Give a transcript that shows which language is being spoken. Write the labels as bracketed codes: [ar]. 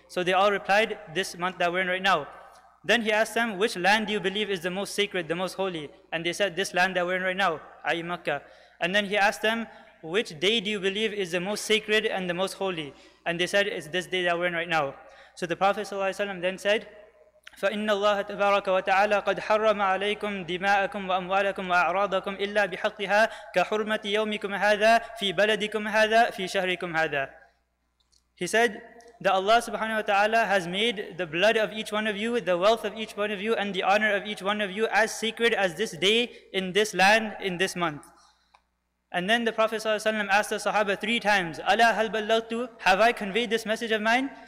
[en] So they all replied, this month that we're in right now. Then he asked them, which land do you believe is the most sacred, the most holy? And they said, this land that we're in right now, i.e. Makkah. And then he asked them, which day do you believe is the most sacred and the most holy? And they said, it's this day that we're in right now. So the Prophet ﷺ then said, [ar] فَإِنَّ اللَّهَ تَبَارَكَ وَتَعَالَى قَدْ حَرَّمَ عَلَيْكُمْ دِمَاءَكُمْ وَأَمْوَالَكُمْ وَأَعْرَاضَكُمْ إِلَّا بِحَقِّهَا كَحُرْمَةِ يَوْمِكُمْ هَذَا فِي بَلَدِكُمْ هَذَا فِي شَهْرِكُمْ هَذَا. [en] He said that Allah subhanahu wa ta'ala has made the blood of each one of you, the wealth of each one of you, and the honor of each one of you as sacred as this day in this land, in this month. And then the Prophet sallallahu alaihi wasallam asked the sahaba three times, [ar] Ala hal ballagtu, [en] have I conveyed this message of mine?